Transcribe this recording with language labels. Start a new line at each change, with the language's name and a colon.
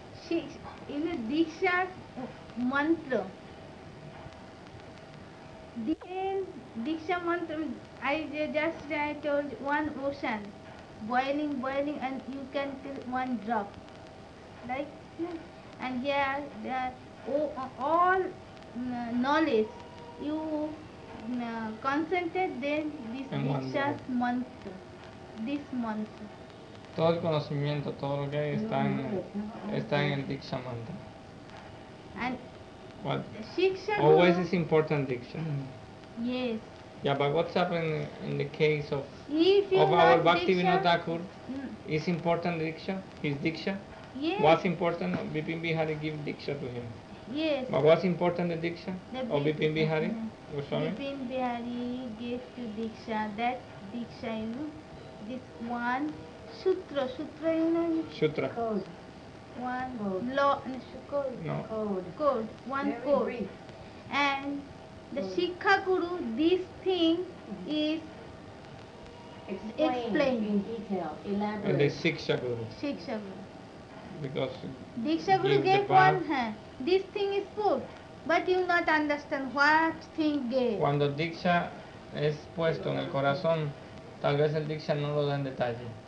English: In the Diksha's mantra, then Diksha mantra, I just I told one ocean, boiling, boiling, and you can feel one drop, like, and here the all knowledge you concentrate, then this Diksha mantra, this mantra.
Spanish: Todo el conocimiento, todo lo que hay está en el Diksha mantra.
English: And what? Shiksha always is important Diksha. Yes. Yeah, but what's happening in the case of if of our Bhakti Vinod Thakur? Is important Diksha? His Diksha? Yes. What's important? Bipin Bihari give Diksha to him. Yes. But what's important the Diksha? The of Bipin Bihari? Bipin Bihari gave to Diksha. That Diksha, you know, this one Sutra. Sutra, you know? Sutra. Code. One code. Law. Code. No. Code. One very code. Brief. And the Shikha Guru, this thing is explained in detail, elaborate. And the Shiksha Guru. Shiksha Guru. Because Diksha Guru gave one hand. This thing is put, but you not understand what thing gave.
Spanish: Cuando Diksha es puesto en el corazón, tal vez el Diksha no lo da en detalle.